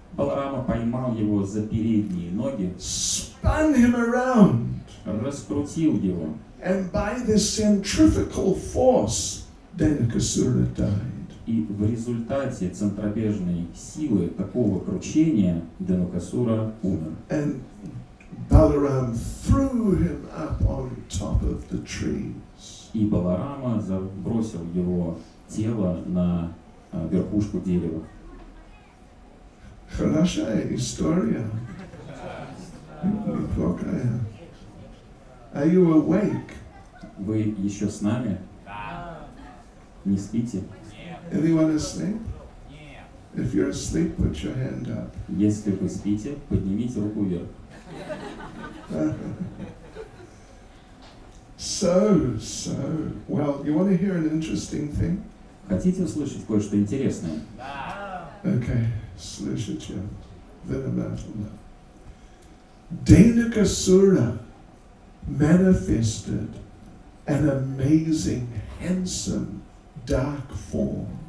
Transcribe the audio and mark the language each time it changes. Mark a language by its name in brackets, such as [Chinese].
[Russian] Баларама поймал его за передние ноги. [English] Spun him around. [Russian] Раскрутил его. [English] And by the centrifugal force, Denakasura died. [Russian] И в результате центробежной силы такого кручения Денакасура умер. [English] And Balaram threw him up on top of the trees. [Russian] И Баларама забросил его тело на верхушку дерева. Хорошая история. Неплохая. [English] Are you awake? [Russian] Вы еще с нами? Да. Не спите? Нет. [English] Anyone asleep? [Russian] Нет. [English] If you're asleep, put your hand up. [Russian] Если вы спите, поднимите руку вверх. [English] So, well, you want to hear an interesting thing? [Russian] Хотите услышать кое-что интересное? Да. Okay, слышите, внимательно. [English] Денакасура manifested an amazing, handsome, dark form.